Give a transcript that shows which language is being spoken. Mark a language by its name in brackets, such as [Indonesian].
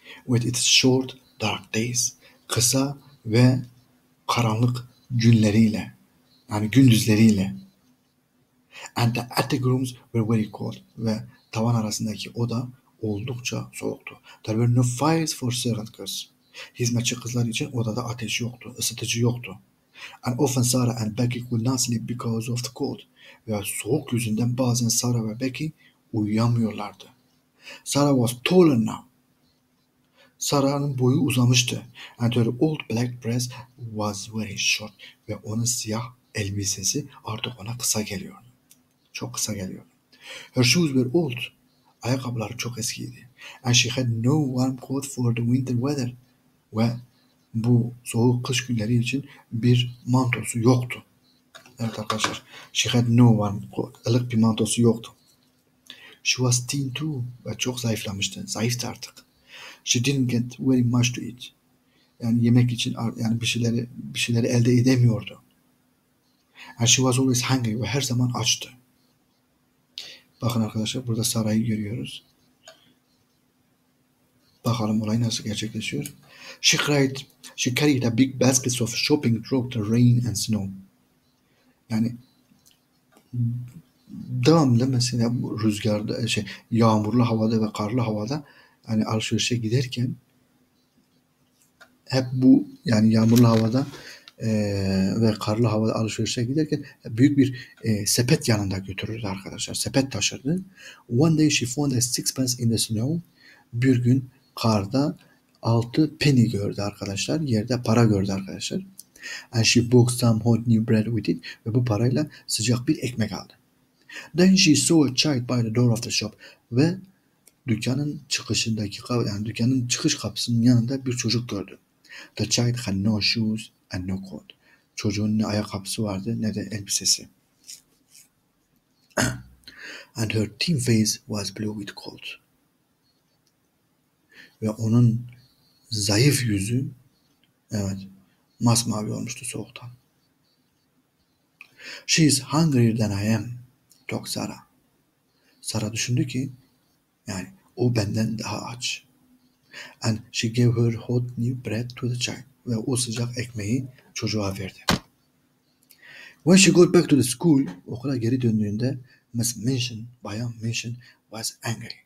[English] With its short dark days. [Turkish] Kısa ve karanlık günleriyle. Yani gündüzleriyle. [English] And the attic rooms were very cold. [Turkish] Ve tavan arasındaki oda oldukça soğuktu. [English] There were no fires for servant girls. [Turkish] Hizmetçi kızlar için odada ateş yoktu, ısıtıcı yoktu. [English] And often Sarah and Becky could not sleep because of the cold. [Turkish] Ve soğuk yüzünden bazen Sarah ve Becky uyuyamıyorlardı. [English] Sarah was taller now. [Turkish] Sarah'ın boyu uzamıştı. [English] And her old black dress was very short. [Turkish] Ve onun siyah elbisesi artık ona kısa geliyor. Çok kısa geliyor. [English] Her shoes were old. [Turkish] Ayakkabıları çok eskiydi. [English] And she had no warm coat for the winter weather. [Turkish] Ve bu soğuk kış günleri için bir mantosu yoktu. Evet arkadaşlar. [English] She had no warm coat. [Turkish] Ilık bir mantosu yoktu. [English] She was thin too. [Turkish] Ve çok zayıflamıştı. Zayıftı artık. [English] She didn't get very much to eat. [Turkish] Yani yemek için yani bir şeyleri elde edemiyordu. [English] And she was always hungry. [Turkish] Ve her zaman açtı. Bakın arkadaşlar burada Sarah'ı görüyoruz. Bakalım olay nasıl gerçekleşiyor. [English] She cried. She carried a big basket of shopping through the rain and snow. [Turkish] Yani devamlı mesela rüzgarda yağmurlu havada ve karlı havada hani alışverişe giderken hep bu yani yağmurlu havada ve karlı havada alışverişe giderken büyük bir sepet yanında götürürdü arkadaşlar. Sepet taşırdı. [English] One day she found a sixpence in the snow. [Turkish] Bir gün karda 6 penny gördü arkadaşlar. Yerde para gördü arkadaşlar. [English] And she bought some hot new bread with it. [Turkish] Ve bu parayla sıcak bir ekmek aldı. [English] Then she saw a child by the door of the shop. [Turkish] Ve dükkanın çıkışındaki yani dükkanın çıkış kapısının yanında bir çocuk gördü. [English] The child had no shoes and no coat. [Turkish] Çocuğun ne ayakkabısı vardı ne de elbisesi. [English] And her thin face was blue with cold. [Turkish] Ve onun zayıf yüzü evet masmavi olmuştu soğuktan. [English] She is hungrier than I am, thought Sarah. [Turkish] Sarah düşündü ki yani o benden daha aç. [English] And she gave her hot new bread to the child. [Turkish] Ve o sıcak ekmeği çocuğa verdi. [English] When she got back to the school, [Turkish] okula geri döndüğünde [English] Miss Minchin, Bayan Minchin was angry.